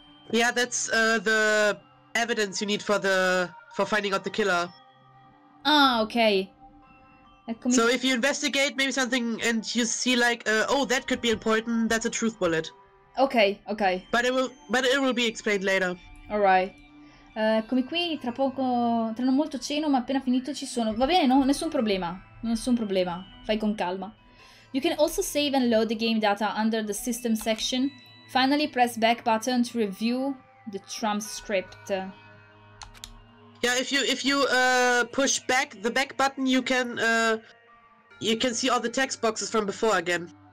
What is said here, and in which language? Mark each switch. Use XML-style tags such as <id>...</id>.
<en>Yeah, that's the... evidence you need for finding out the killer. Ah, okay. So if you investigate maybe something and you see like that could be important, that's a truth bullet. Okay. But it will be explained later. Alright.</en> <it>come qui, tra poco, tra non molto ceno, ma appena finito ci sono. Va bene, no? Nessun problema. Nessun problema. Fai con calma.</it> <en>You can also save and load the game data under the system section. Finally, press back button to review the transcript. Yeah, if you push back the back button, you can see all the text boxes from before again.</en>